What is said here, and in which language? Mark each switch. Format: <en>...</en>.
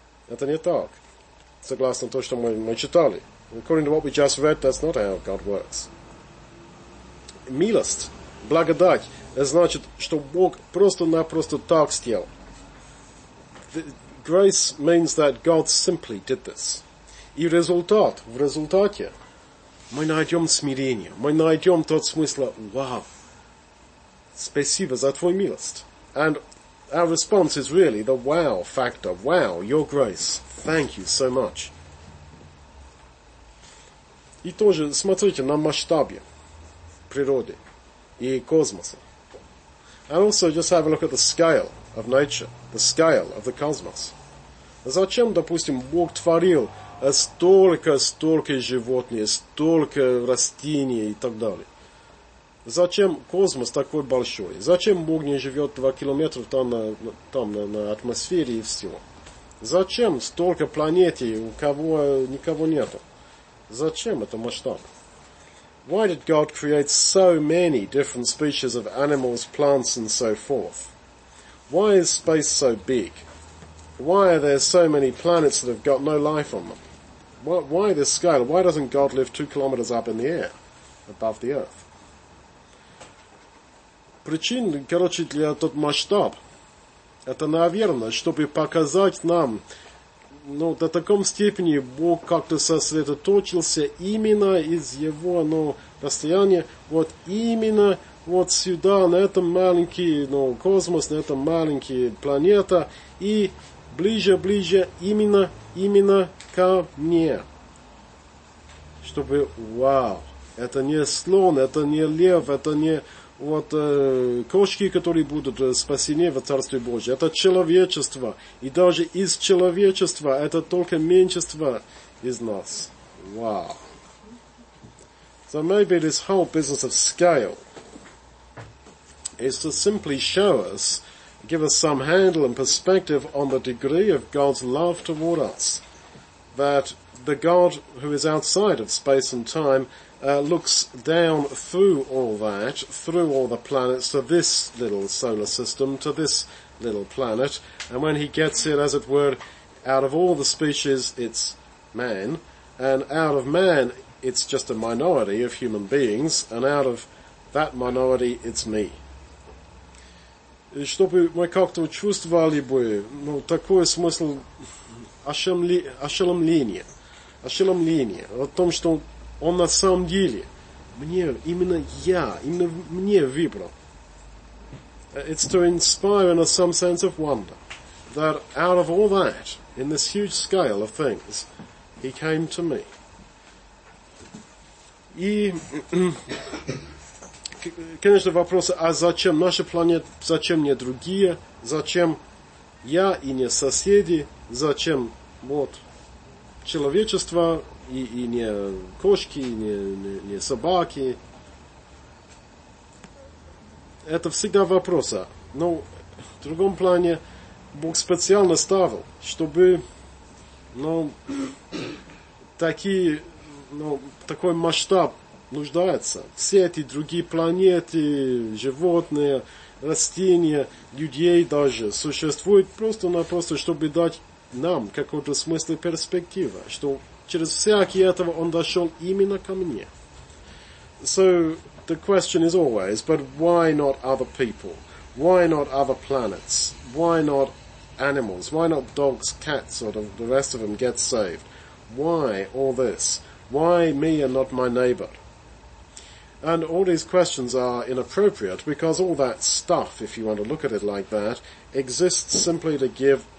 <ru>Это не так. Согласно то, что мы читали.</ru> <en>According to what we just read, that's not how God works.</en> <ru>Милость, благодать, значит, что Бог просто-напросто так сделал.</ru> <en>Grace means that God simply did this.</en> <ru>И результат, в результате, мы найдем смирение, мы найдем тот смысл, вау, спасибо за твою милость.</ru> <en>And our response is really the wow factor, wow, your grace, thank you so much.</en> <ru>И тоже, смотрите, на масштабе природы и космоса.</ru> <en>And also just have a look at the scale of nature, the scale of the cosmos.</en> <ru>Зачем, допустим, Бог творил столько животных, столько растений и так далее? Зачем космос такой большой? Зачем Бог не живет 2 километра там на атмосфере и всего? Зачем столько планет, у кого никого нету? Зачем это масштаб?</ru> <en>Why did God create so many different species of animals, plants, and so forth? Why is space so big? Why are there so many planets that have got no life on them? Why this scale? Why doesn't God live 2 kilometers up in the air, above the earth?</en> <ru>Причина, короче, для тот масштаб, это, наверное, чтобы показать нам, ну, до таком степени Бог как-то сосредоточился именно из его, ну, расстояния, вот именно вот сюда, на этом маленький, ну, космос, на этом маленький планета, и ближе, именно ко мне. Чтобы, вау, это не слон, это не лев, это не вот кошки, которые будут спасены в Царстве Божьем. Это человечество. И даже из человечества это только меньшинство из нас. Вау.</ru> <en>So maybe this whole business of scale is to simply show us, give us some handle and perspective on the degree of God's love toward us. That the God who is outside of space and time looks down through all that, through all the planets, to this little solar system, to this little planet. And when he gets it, as it were, out of all the species, it's man. And out of man, it's just a minority of human beings. And out of that minority, it's me.</en> <ru>Чтобы мы как-то чувствовали бы, ну, такой смысл ошеломления. Ошеломления о том, что он на самом деле мне, именно я, именно мне выбрал.</ru> <en>It's to inspire in a some sense of wonder that out of all that, in this huge scale of things, he came to me.</en> <ru>И, конечно, вопрос, а зачем наша планета, зачем не другие, зачем я и не соседи, зачем вот человечество и не кошки, и не собаки. Это всегда вопрос. Но в другом плане Бог специально ставил, чтобы, ну, такие, ну, такой масштаб нуждается. Все эти другие планеты, животные, растения, людей даже существуют просто-напросто, чтобы дать нам какой-то смысл и перспектива, что через всякие этого он дошел именно ко мне.</ru> <en>So, the question is always, but why not other people? Why not other planets? Why not animals? Why not dogs, cats, or the rest of them get saved? Why all this? Why me and not my neighbor? And all these questions are inappropriate because all that stuff, if you want to look at it like that, exists simply to give</en>